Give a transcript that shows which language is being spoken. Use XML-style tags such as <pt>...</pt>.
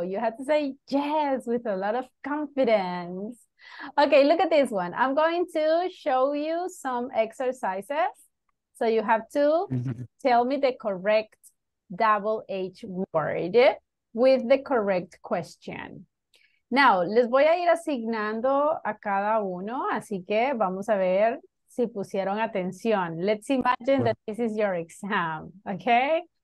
<en>You have to say yes with a lot of confidence. Okay, look at this one. I'm going to show you some exercises. So you have to tell me the correct WH word with the correct question.</en> <es>Now, les voy a ir asignando a cada uno, así que vamos a ver si pusieron atención.</es> <en>Let's imagine that this is your exam, okay?</en>